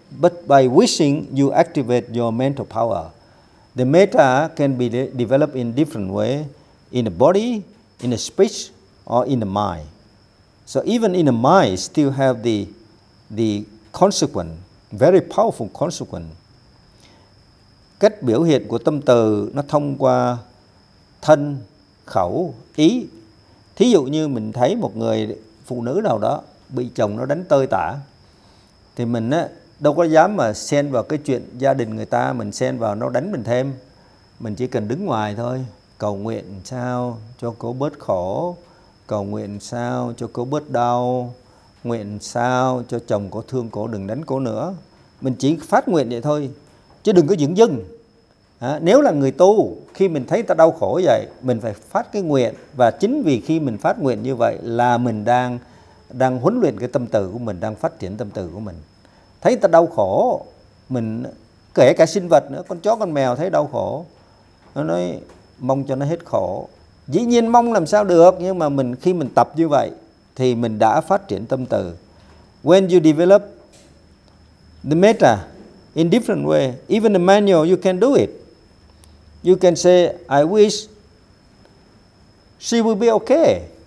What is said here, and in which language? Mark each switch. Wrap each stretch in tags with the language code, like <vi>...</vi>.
<en>But by wishing, you activate your mental power. The metta can be developed in different way, in the body, in the speech, or in the mind. So even in the mind, still have the consequent, very powerful consequent.</en> <vi>Cách biểu hiện của tâm từ nó thông qua thân, khẩu, ý. Thí dụ như mình thấy một người phụ nữ nào đó bị chồng nó đánh tơi tả, thì mình á đâu có dám mà xen vào cái chuyện gia đình người ta, mình xen vào nó đánh mình thêm. Mình chỉ cần đứng ngoài thôi, cầu nguyện sao cho cô bớt khổ, cầu nguyện sao cho cô bớt đau, nguyện sao cho chồng cô thương cô đừng đánh cô nữa. Mình chỉ phát nguyện vậy thôi, chứ đừng có dửng dưng. Nếu là người tu, khi mình thấy ta đau khổ vậy, mình phải phát cái nguyện. Và chính vì khi mình phát nguyện như vậy là mình đang huấn luyện cái tâm từ của mình, đang phát triển tâm từ của mình. Thấy ta đau khổ, mình kể cả sinh vật nữa, con chó con mèo thấy đau khổ, nó nói mong cho nó hết khổ. Dĩ nhiên mong làm sao được, nhưng mà mình khi mình tập như vậy thì mình đã phát triển tâm từ.</vi> <en>When you develop the metta in different way, even the manual you can do it. You can say, I wish she will be okay.</en>